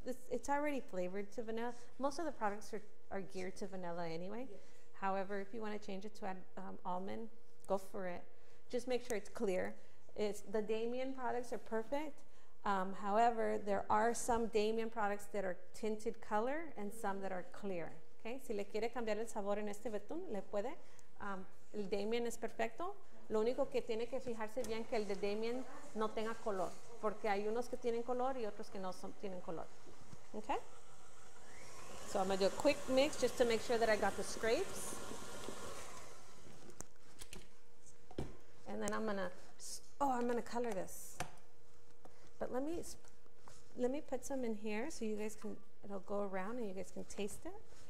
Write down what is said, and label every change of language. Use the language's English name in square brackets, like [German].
[English] It's already flavored to vanilla. Most of the products are geared to vanilla anyway. Yes. However, if you want to change it to add almond, go for it. Just make sure it's clear. It's the Damien products are perfect. However, there are some Damien products that are tinted color and some that are clear. Okay. [Spanish] Si le quiere cambiar el sabor en este betún, le puede. El Damien es perfecto. Lo único que tiene que fijarse bien que el de Damien no tenga color, porque hay unos que tienen color y otros que no son, tienen color. [English] Okay. So I'm gonna do a quick mix just to make sure that I got the scrapes. And then I'm gonna color this. But let me put some in here so you guys can, it'll go around and you guys can taste it.